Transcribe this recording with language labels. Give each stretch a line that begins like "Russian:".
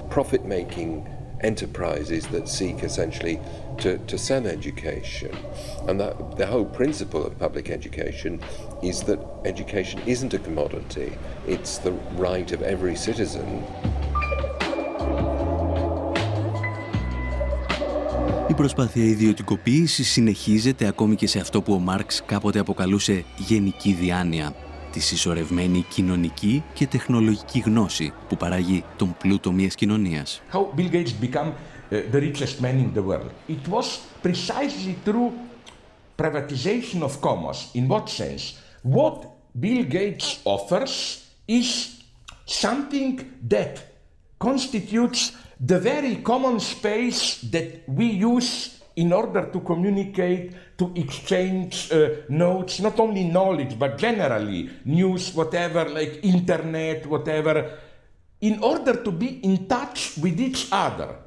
English: Profit-making enterprises that seek essentially to sell education. And that the whole principle of public education is that education isn't a commodity, it's the right of every citizen.
Greek: Η προσπάθεια ιδιωτικοποίησης συνεχίζεται ακόμη και σε αυτό που ο Μάρξ κάποτε αποκαλούσε γενική διάνοια, τη συσσωρευμένη κοινωνική και τεχνολογική γνώση που παράγει τον πλούτο μιας κοινωνίας.
English: How Bill Gates became the richest man in the world. It was precisely through privatization of commerce. In what sense? What Bill Gates offers is something that constitutes the very common space that we use in order to communicate, to exchange notes, not only knowledge, but generally news, whatever, like internet, whatever, in order to be in touch with each other.